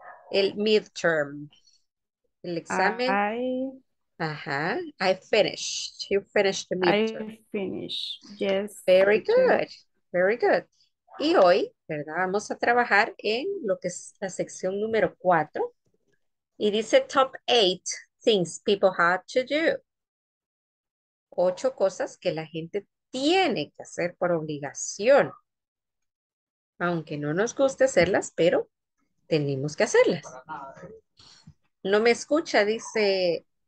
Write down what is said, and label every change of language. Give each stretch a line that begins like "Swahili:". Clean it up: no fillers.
Spanish: El midterm. El examen. Ajá.
English: I finished. You finished the midterm. I finish. Yes, Very teacher.
Spanish: good, very good. Y hoy, ¿verdad? Vamos a trabajar en lo que es la sección número 4.
English: Y dice top 8 things people have to do.
Spanish: Ocho cosas que la gente tiene que hacer por obligación. Aunque no nos guste hacerlas, pero tenemos que hacerlas. No me escucha, dice.